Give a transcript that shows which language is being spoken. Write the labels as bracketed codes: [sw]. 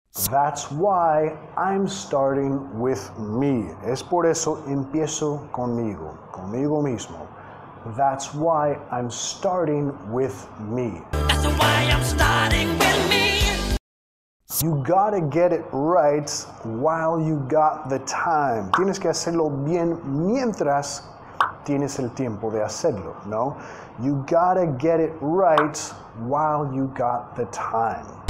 [en] That's why I'm starting with me. [es] Es por eso empiezo conmigo, conmigo mismo. [en] That's why I'm starting with me. That's why I'm starting with me. You gotta get it right while you got the time. [es] Tienes que hacerlo bien mientras tienes el tiempo de hacerlo, ¿no? [en] You gotta get it right while you got the time.